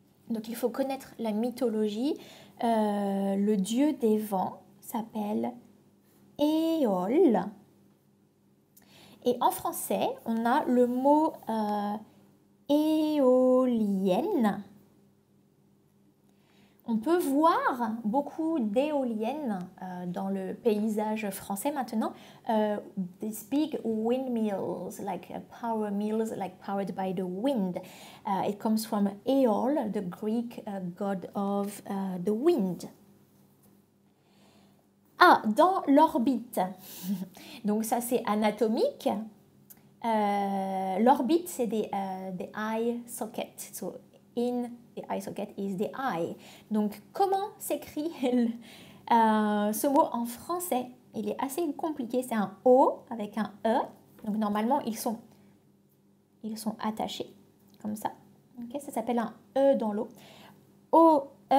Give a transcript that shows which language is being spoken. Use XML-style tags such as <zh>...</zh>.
<fr>Donc, il faut connaître la mythologie. Le dieu des vents s'appelle Éol. Et en français, on a le mot éolienne. On peut voir beaucoup d'éoliennes dans le paysage français maintenant.</fr> <en>These big windmills, like power mills, like powered by the wind. It comes from Éol, the Greek god of the wind.</en> <fr>Ah, dans l'orbite. Donc ça, c'est anatomique. L'orbite, c'est the eye socket.</fr> <en>So, in the eye socket is the eye.</en> <fr>Donc, comment s'écrit ce mot en français? Il est assez compliqué. C'est un O avec un E. Donc, normalement, ils sont attachés comme ça. Okay, ça s'appelle un E dans l'eau. O-E-I-L.</fr>